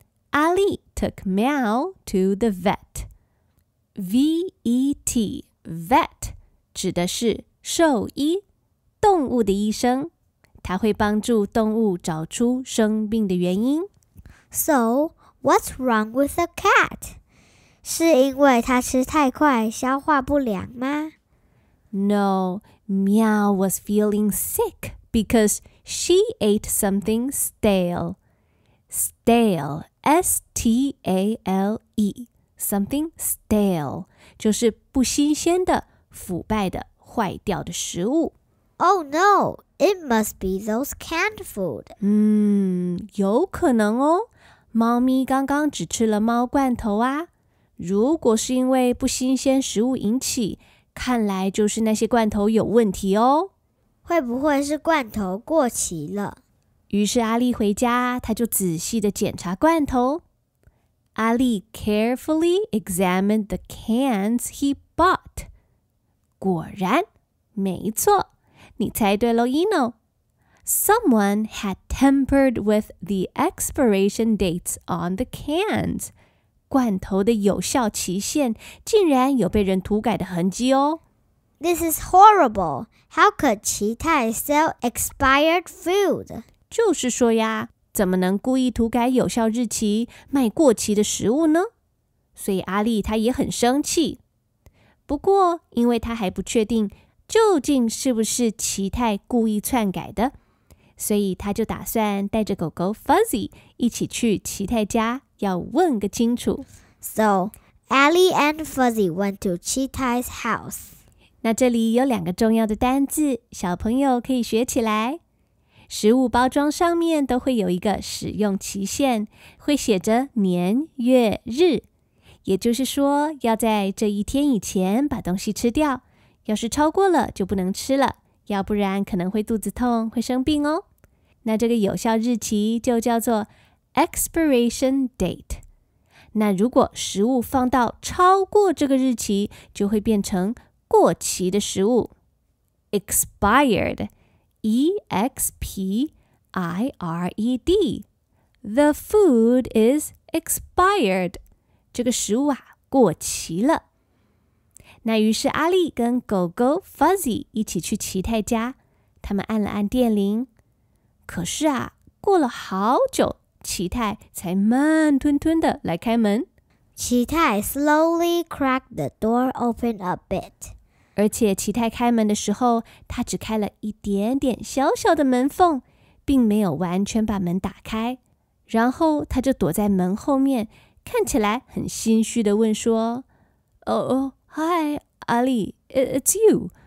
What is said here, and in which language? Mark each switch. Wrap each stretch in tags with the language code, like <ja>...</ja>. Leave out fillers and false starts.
<en>Ali took Meow to the vet。 V-E-T, vet,</en> <zh>指的是兽医，动物的医生。它会帮助动物找出生病的原因。</zh> <en>So, what's wrong with the cat?</en> <zh>是因为它吃太快，消化不良吗？</zh> <en>No, Meow was feeling sick because she ate something stale. Stale, S-T-A-L-E. Something stale,</en> <zh>就是不新鲜的、腐败的、坏掉的食物。</zh> <en>Oh no, it must be those canned food.</en> <zh>有可能哦。猫咪刚刚只吃了猫罐头啊。如果是因为不新鲜食物引起，看来就是那些罐头有问题哦。会不会是罐头过期了？于是阿力回家，他就仔细地检查罐头。</zh> <en>Ali carefully examined the cans he bought.</en> <zh>果然，没错，你猜对了 ，Eno.</zh> <en>Someone had tampered with the expiration dates on the cans.</en> <zh>罐头的有效期限竟然有被人涂改的痕迹哦。</zh> <en>This is horrible. How could Chitai sell expired food?</en> <zh>就是说呀。怎么能故意涂改有效日期卖过期的食物呢？所以阿力他也很生气。不过因为他还不确定究竟是不是奇泰故意篡改的，所以他就打算带着狗狗 Fuzzy 一起去奇泰家，要问个清楚。</zh> <en>So Ali and Fuzzy went to Chitai's house.</en> <zh>那这里有两个重要的单字，小朋友可以学起来。食物包装上面都会有一个使用期限，会写着年、月、日。也就是说，要在这一天以前把东西吃掉，要是超过了就不能吃了，要不然可能会肚子痛，会生病哦。那这个有效日期就叫做 expiration date。那如果食物放到超过这个日期，就会变成过期的食物 ，expired，E-X-P-I-R-E-D。</zh> <en>The food is expired。</en> <zh>这个食物啊，过期了。那于是阿力跟狗狗 Fuzzy 一起去奇泰家，他们按了按电铃，可是啊，过了好久。奇泰才慢吞吞的来开门。</zh> <en>奇泰 slowly cracked the door open a bit.</en> <zh>而且奇泰开门的时候，他只开了一点点小小的门缝，并没有完全把门打开。然后他就躲在门后面，看起来很心虚的问说 ：</zh> <en>“Oh, hi, Ali, it's you.</en>